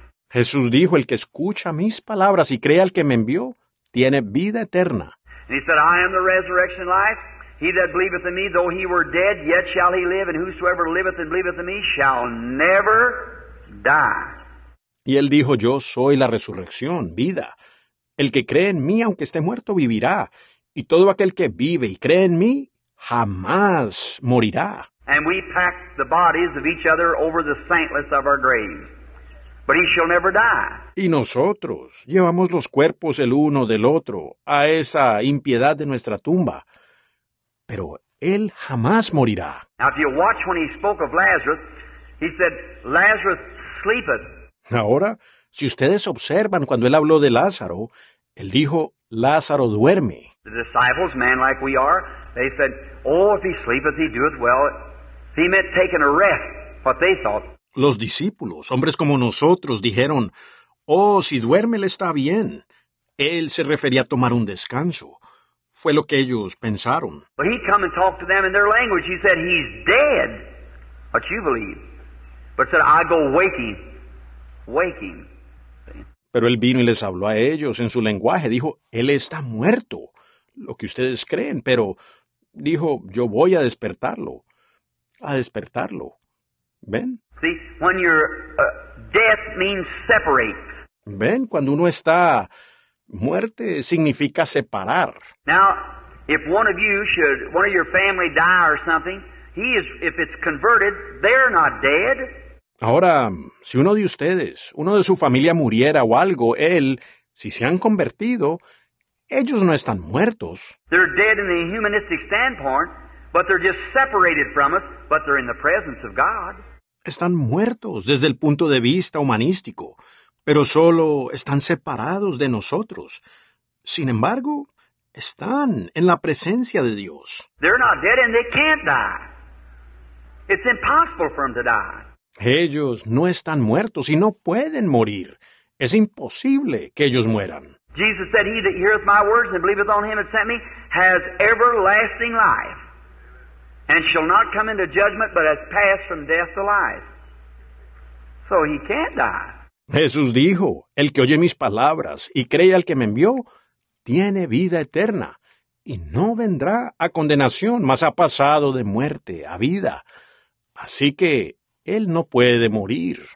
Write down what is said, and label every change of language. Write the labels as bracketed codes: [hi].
[es] Jesús dijo, el que escucha mis palabras y cree al que me envió, tiene vida eterna. [en] And he said, I am the resurrection life. He that believeth in me, though he were dead, yet shall he live, and whosoever liveth and believeth in me shall never die. [es] Y él dijo, yo soy la resurrección, vida. El que cree en mí, aunque esté muerto, vivirá. Y todo aquel que vive y cree en mí, jamás morirá. [en] And we pack the bodies of each other over the saintless of our graves. But he shall never die. [es] Y nosotros llevamos los cuerpos el uno del otro a esa impiedad de nuestra tumba. Pero él jamás morirá. [en] Now, if you watch when he spoke of Lazarus, he said, Lazarus sleepeth. [es] Ahora, si ustedes observan cuando él habló de Lázaro, él dijo, Lázaro duerme. [en] The disciples, man like we are, they said, oh, if he sleepeth, he doeth well. He meant taking a rest, what they thought. [es] Los discípulos, hombres como nosotros, dijeron, oh, si duerme, le está bien. Él se refería a tomar un descanso. Fue lo que ellos pensaron. [en] But he'd come and talk to them in their language. He said, he's dead, what you believe. But said, I go waking, waking. [es] Pero él vino y les habló a ellos en su lenguaje. Dijo, él está muerto, lo que ustedes creen. Pero dijo, yo voy a despertarlo, a despertarlo. ¿Ven? [en] See, when you're, death means separate. [es] ¿Ven? Cuando uno está, muerte significa separar. [en] Now, if one of you should, one of your family die or something, he is, if it's converted, they're not dead. [es] Ahora, si uno de ustedes, uno de su familia muriera o algo, él, si se han convertido, ellos no están muertos. [en] They're dead in the humanistic standpoint, but they're just separated from us, but they're in the presence of God. [es] Están muertos desde el punto de vista humanístico, pero solo están separados de nosotros. Sin embargo, están en la presencia de Dios. [en] They're not dead and they can't die. It's impossible for them to die. [es] Ellos no están muertos y no pueden morir. Es imposible que ellos mueran. [en] Jesus said, he that heareth my words and believeth on him that sent me has everlasting life and shall not come into judgment but has passed from death to life. So he can't die. [es] Jesús dijo, el que oye mis palabras y cree al que me envió, tiene vida eterna y no vendrá a condenación, mas ha pasado de muerte a vida. Así que él no puede morir.